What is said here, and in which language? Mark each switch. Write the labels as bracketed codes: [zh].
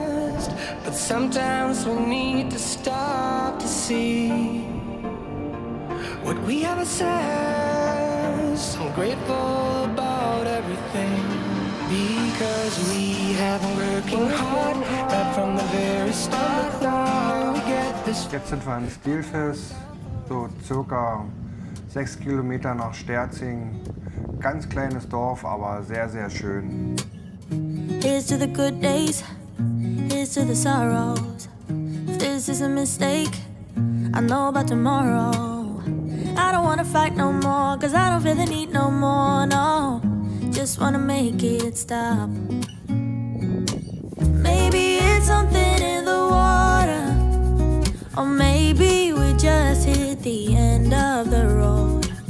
[en] past, but sometimes we need to stop to see what we have assessed. I'm grateful about everything because we have been working hard right from the very start. Now we get this. [de] Jetzt sind wir in Stilfes, so circa 6 Kilometer nach Sterzing. Ganz kleines Dorf, aber sehr, sehr schön. [en] Here's to the good days, here's to the sorrows. If this is a mistake, I know about tomorrow. I don't wanna fight no more, cause I don't feel the need no more, no. Just wanna make it stop. Maybe it's something in the water, or maybe we just hit the end of the road.